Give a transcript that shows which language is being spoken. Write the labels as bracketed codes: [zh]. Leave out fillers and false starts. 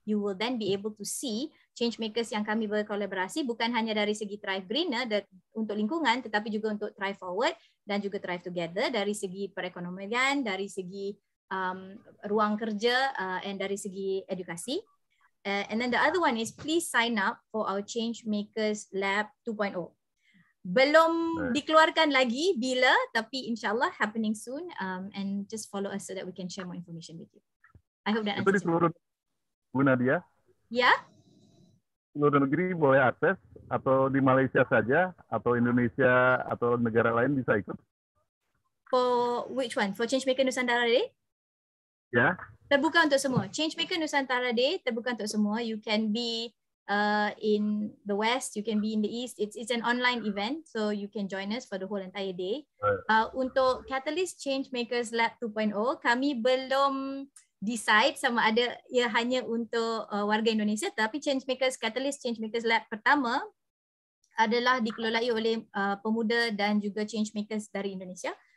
[en] You will then be able to see [ms] Changemakers yang kami berkolaborasi bukan hanya dari segi Thrive Greener untuk lingkungan, tetapi juga untuk Thrive Forward dan juga Thrive Together dari segi perekonomian, dari segi ruang kerja, and dari segi edukasi. [en] And then the other one is please sign up for our Changemakers Lab 2.0. [ms] Belum dikeluarkan lagi bila, tapi insyaallah [en] happening soon, and just follow us so that we can share more information with you. I hope that [id] itu di seluruh Bu Nadia, ya, seluruh negeri boleh akses, atau di Malaysia saja, atau Indonesia atau negara lain bisa ikut. [en] For which one? For Changemaker Nusantara Day? [ms] Ya, terbuka untuk semua. Changemaker Nusantara Day terbuka untuk semua. [en] You can be in the West, you can be in the East. It's an online event, so you can join us for the whole entire day. [ms] Untuk Catalyst Changemakers Lab 2.0, kami belum decide sama ada ia hanya untuk warga Indonesia, tapi Changemakers Catalyst Changemakers Lab pertama adalah dikelolai oleh pemuda dan juga changemakers dari Indonesia.